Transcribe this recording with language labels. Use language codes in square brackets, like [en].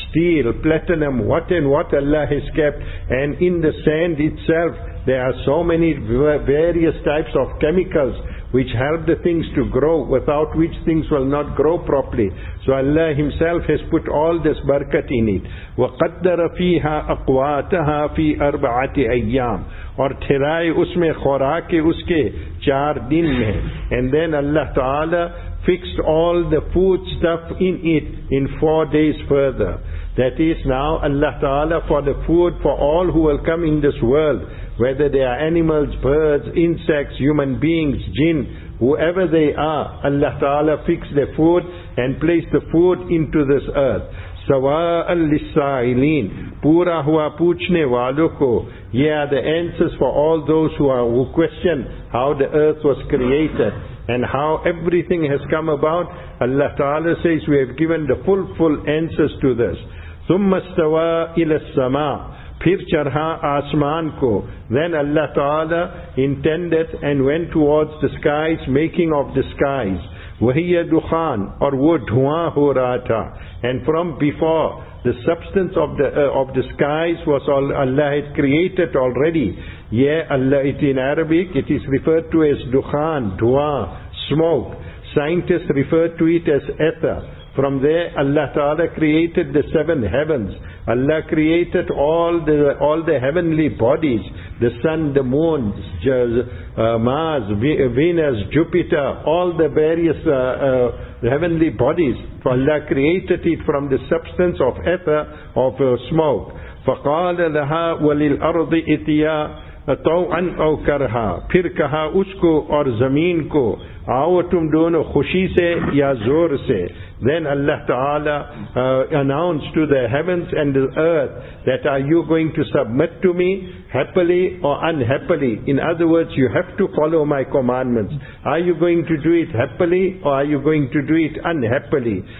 [en] steel, platinum, what and what Allah has kept. And in the sand itself, there are so many various types of chemicals which help the things to grow, without which things will not grow properly. So Allah Himself has put all this barakat in it. [ar] وَقَدَّرَ فِيهَا أَقْوَاتَهَا فِي أَرْبَعَةِ أَيَّامٍ [ur] اور ٹھرائے اس میں خوراک اس کے چار دن میں. [en] And then Allah Ta'ala fixed all the food stuff in it in 4 days further. That is, now Allah Ta'ala, for the food for all who will come in this world, whether they are animals, birds, insects, human beings, jinn, whoever they are, Allah Ta'ala fixed the food and placed the food into this earth. [ar] سَوَاءً لِلسَّائِلِينَ [ur] پورا ہوا پوچھنے والوں کو. [en] Here are the answers for all those who question how the earth was created and how everything has come about. Allah Ta'ala says, we have given the full answers to this. [ar] ثُمَّ اسْتَوَى إِلَى السَّمَاءِ [ur] پھر چرہا آسمان کو. [en] Then Allah Ta'ala intended and went towards the skies, making of the skies. [ar] وَهِيَ دُخَان [ur] اور وہ دھواں ہو رہا تھا. [en] And from before, the substance of the skies was all Allah had created already. Yeah, Allah, it in Arabic, it is referred to as dukhan, dua, smoke. Scientists refer to it as ether. From there, Allah Ta'ala created the seven heavens. Allah created all the heavenly bodies, the sun, the moon, Mars, Venus, Jupiter, all the various heavenly bodies. Allah created it from the substance of ether, of smoke. [ar] فَقَالَ لَهَا وَلِلْأَرْضِ اِتِيَا طَوْعًا أَوْ كَرْهًا [ur] پھر کہا اس کو اور زمین کو, آؤ تم دونوں خوشی سے یا زور سے. [en] Then Allah Ta'ala announced to the heavens and the earth that, are you going to submit to me happily or unhappily? In other words, you have to follow my commandments. Are you going to do it happily or are you going to do it unhappily?